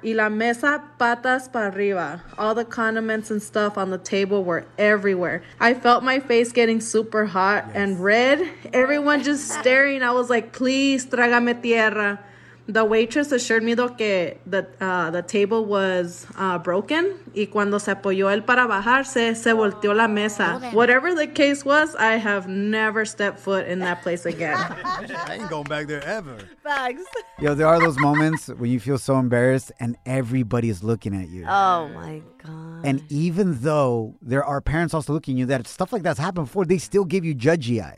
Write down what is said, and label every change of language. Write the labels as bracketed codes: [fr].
[es] Y la mesa patas para arriba. [en] All the condiments and stuff on the table were everywhere. I felt my face getting super hot and red. Everyone just staring. I was like, please, [es] trágame tierra. [en] The waitress assured me though that the table was broken. [es] Y cuando se apoyó él para bajarse, se volteó la mesa. [en] Whatever the case was, I have never stepped foot in that place again. I ain't going back there ever. Thanks. Yo, there are those moments when you feel so embarrassed and everybody is looking at you. Oh my God. And even though there are parents also looking at you, that stuff like that's happened before, they still give you judgy eyes.